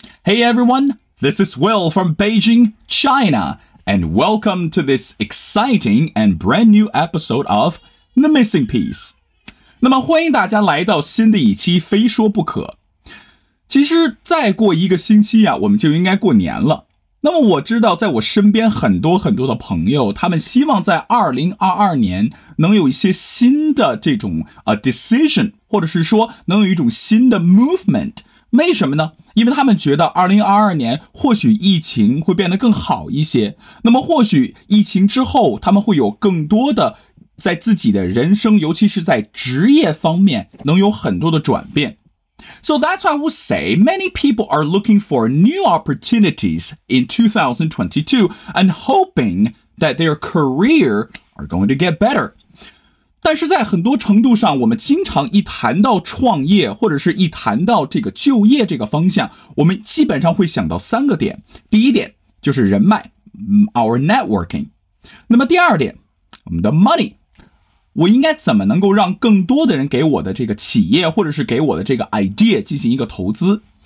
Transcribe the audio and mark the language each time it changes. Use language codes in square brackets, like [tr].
[en] Hey everyone, this is Will from Beijing, China, and welcome to this exciting and brand new episode of The Missing Piece. [zh] 那么欢迎大家来到新的一期非说不可。其实再过一个星期啊，我们就应该过年了。那么我知道在我身边很多很多的朋友，他们希望在2022年能有一些新的这种decision, 或者是说能有一种新的 movement。为什么呢？因为他们觉得2022年或许疫情会变得更好一些，那么或许疫情之后他们会有更多的在自己的人生，尤其是在职业方面能有很多的转变。 [en] So that's why I would say many people are looking for new opportunities in 2022 and hoping that their career are going to get better. [zh] 但是在很多程度上，我们经常一谈到创业或者是一谈到这个就业这个方向，我们基本上会想到三个点。第一点就是人脉 , [en] our networking。 [zh] 那么第二点，我们的 money。我应该怎么能够让更多的人给我的这个企业或者是给我的这个 idea 进行一个投资。